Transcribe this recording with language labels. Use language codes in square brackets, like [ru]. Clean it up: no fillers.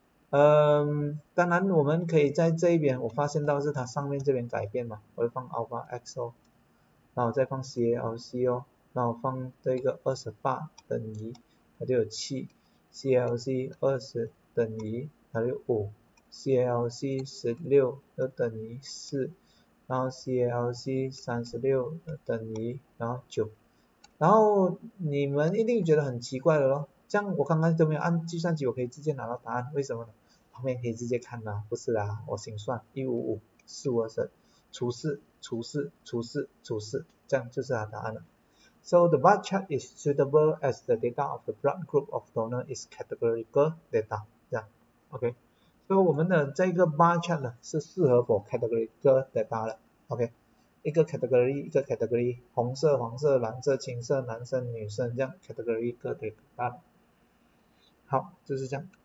[zh] 嗯，当然我们可以在这一边，我发现到是它上面这边改变嘛，我就放 alpha x 哦，然后再放 calc 哦，然后放这个28等于它就有 7，calc 20等于它就有 5，calc 16就等于 4， 然后 calc 36等于然后 9， 然后你们一定觉得很奇怪的咯。这样我刚刚都没有按计算机，我可以直接拿到答案，为什么呢？旁边可以直接看啦，不是啦，我心算155 4 5 2 3，除4，这样就是它答案了。 [en] So the bar chart is suitable as the data of the blood group of donor is categorical data. [zh] 这样 ，OK。所以我们的这个 bar chart 呢是适合 [en] for categorical data [zh] 的 ，OK。一个 category 一个 category， 红色、黄色、蓝色、青色、男生、女生，这样 category 一个 category 好，就是这样。